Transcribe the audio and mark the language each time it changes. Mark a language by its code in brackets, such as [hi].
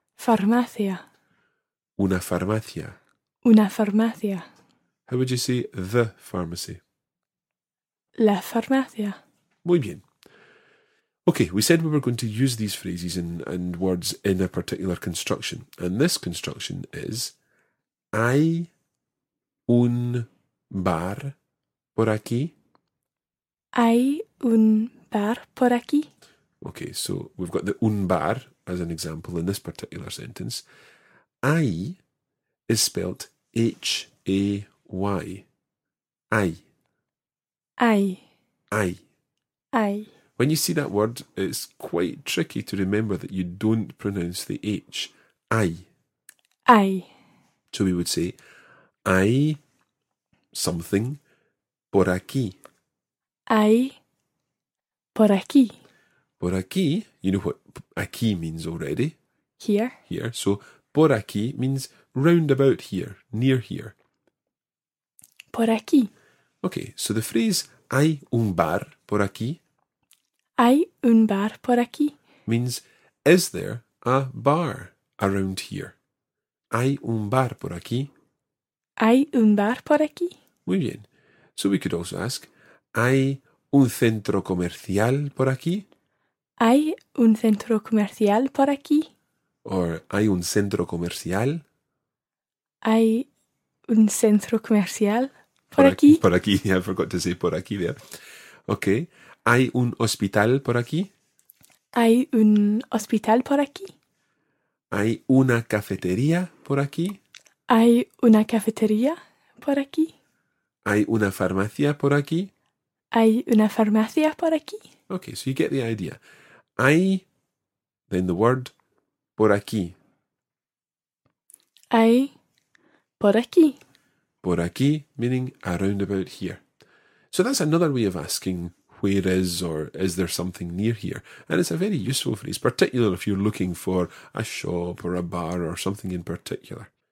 [es] Farmacia. Una farmacia. Una farmacia. [en] How would you say the pharmacy? [es] La farmacia. Muy bien. [en] Okay, we said we were going to use these phrases and words in a particular construction. And this construction is, [es] hay un bar por aquí. Hay un bar por aquí. [en] Okay, so we've got the [es] un bar [en] as an example in this particular sentence. Hay is spelt H-A-Y. Hay. [es] Hay. Hay. Hay. [en] When you see that word, it's quite tricky to remember that you don't pronounce the H. [es] Ay. Ay. [en] So we would say, ay something [es] por aquí. Ay por aquí. Por aquí, [en] you know what aquí means already. Here. Here. So [es] por aquí [en] means round about here, near here. [es] Por aquí. [en] Okay, so the phrase [es] hay un bar por aquí. Hay un bar por aquí. [en] Means, is there a bar around here? [es] Hay un bar por aquí. Hay un bar por aquí. Muy bien. [en] So we could also ask, [es] hay un centro comercial por aquí? Hay un centro comercial por aquí. Or, hay un centro comercial? Hay un centro comercial por aquí. [en] Por aquí, I forgot to say [es] por aquí [en] there. Okay. [es] ¿Hay un hospital por aquí? ¿Hay un hospital por aquí? ¿Hay una cafetería por aquí? ¿Hay una cafetería por aquí? ¿Hay una farmacia por aquí? ¿Hay una farmacia por aquí? [en] Okay, so you get the idea. Hay, then the word, [es] por aquí. Hay, por aquí. Por aquí, [en] meaning around about here. So that's another way of asking, where is or is there something near here? And it's a very useful phrase, particularly if you're looking for a shop or a bar or something in particular.